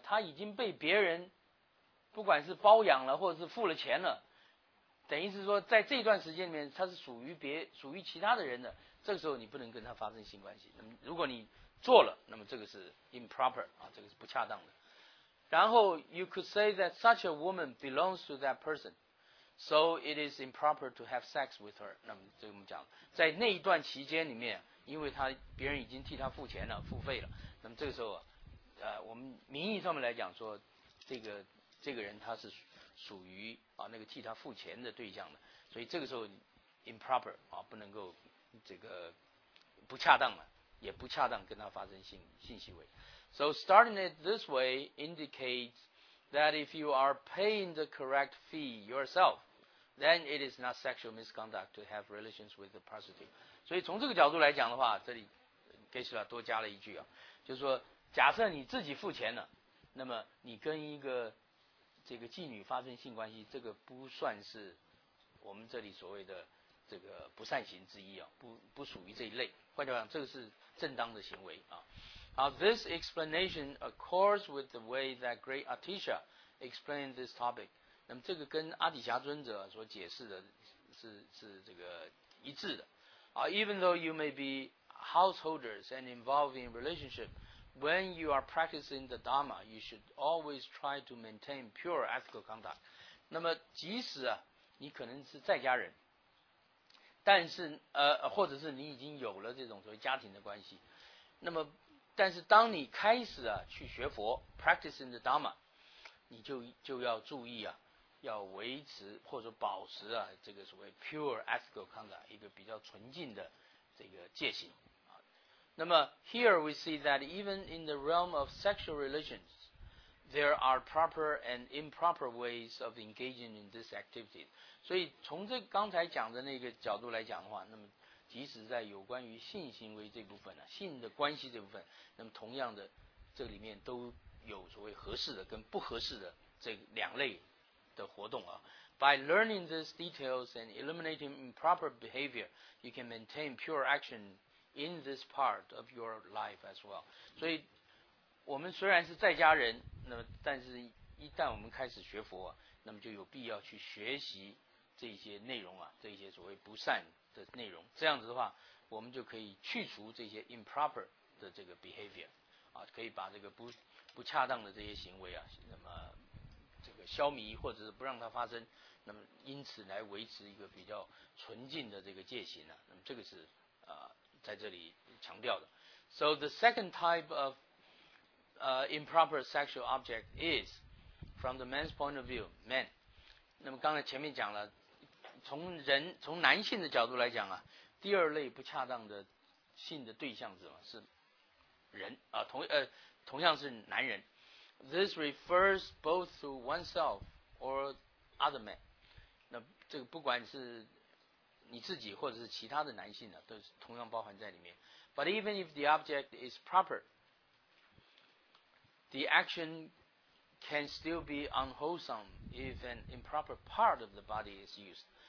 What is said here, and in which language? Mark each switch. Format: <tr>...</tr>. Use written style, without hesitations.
<zh>他已经被别人不管是包养了，或者是付了钱了，等于是说，在这段时间里面，他是属于其他的人的。这个时候你不能跟他发生性关系。那么如果你做了，那么这个是 improper 啊，这个是不恰当的。然后</zh> <en>you could say that such a woman belongs to that person, so it is improper to have sex with her。</en> <zh>那么这个我们讲，在那一段期间里面。因为他别人已经替他付钱了，付费了。那么这个时候，我们名义上面来讲说，这个人他是属于啊那个替他付钱的对象的，所以这个时候 improper 啊不能够这个不恰当了，也不恰当跟他发生性行为。</zh> <en>So starting it this way indicates that if you are paying the correct fee yourself, then it is not sexual misconduct to have relations with the prostitute.</en> <zh>所以从这个角度来讲的话，这里 Geshe-la 多加了一句啊，就是说，假设你自己付钱了，那么你跟一个这个妓女发生性关系，这个不算是我们这里所谓的这个不善行之一啊，不属于这一类。换句话讲，这个是正当的行为啊。好</zh> <en>，this explanation accords with the way that great Atisha explained this topic。</en> <zh>那么这个跟阿底峡尊者所解释的是这个一致的。</zh> <en>Even though you may be householders and involved in relationship, when you are practicing the Dharma, you should always try to maintain pure ethical conduct.</en> <zh>那么即使啊，你可能是在家人，但是或者是你已经有了这种所谓家庭的关系，那么但是当你开始啊去学佛</zh> <en>practicing the Dharma，</en> <zh>你就要注意啊，要维持或者保持啊这个所谓</zh> <en>pure ethical conduct，</en> <zh>一个比较纯净的这个戒行。那么</zh> <en>here we see that even in the realm of sexual relations， there are proper and improper ways of engaging in this activity。</en> <zh>所以从这刚才讲的那个角度来讲的话，那么即使在有关于性行为这部分呢、啊，性的关系这部分，那么同样的，这里面都有所谓合适的跟不合适的这两类的活动啊。</zh> <en>By learning these details and eliminating improper behavior, you can maintain pure action in this part of your life as well.</en> <zh>所以我们虽然是在家人，那么但是一旦我们开始学佛，那么就有必要去学习这些内容啊，这些所谓不善的内容。这样子的话，我们就可以去除这些 improper 的这个 behavior 啊，可以把这个不恰当的这些行为啊，那么这个消弭或者是不让它发生，那么因此来维持一个比较纯净的这个戒行啊。那么这个是在这里强调的。</zh> <en>So the second type of improper sexual object is。 From the man's point of view, man.</en> <zh>那么刚才前面讲了，从男性的角度来讲啊，第二类不恰当的性的对象是什么？是人啊，同样是男人。</zh> <en>This refers both to oneself or other men.</en> <zh>那这个不管是你自己或者是其他的男性呢、啊，都是同样包含在里面。</zh> <en>But even if the object is proper, the action can still be unwholesome if an improper part of the body is used.</en>